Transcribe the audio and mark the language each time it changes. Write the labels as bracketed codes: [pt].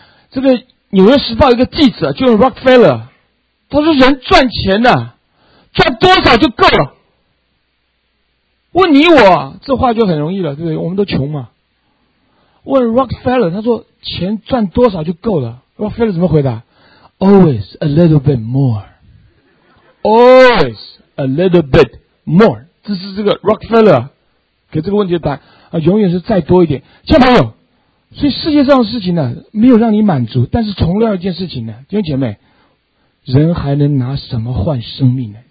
[zh] 这个纽约时报一个记者就用 Rockefeller， 他说人赚钱呢、啊、赚多少就够了。问你我这话就很容易了，对不对？我们都穷嘛。问 Rockefeller， 他说钱赚多少就够了。Rockefeller 怎么回答？ [en] Always a little bit more. Always. A little bit more， [zh] 这是这个 Rockefeller 给这个问题的答案啊，永远是再多一点。亲爱的朋友，所以世界上的事情呢，没有让你满足，但是重要一件事情呢，弟兄姐妹，人还能拿什么换生命呢？